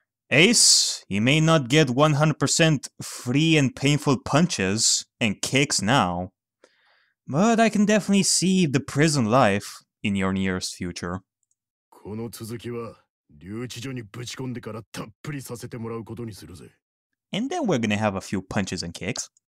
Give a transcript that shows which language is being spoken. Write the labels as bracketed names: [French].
[English] Ace, you may not get 100% free and painful punches and kicks now. But I can definitely see the prison life in your nearest future. [Japanese] この続きは留置所にぶち込んでからたっぷりさせてもらうことにするぜ。 [English] And then we're gonna have a few punches and kicks.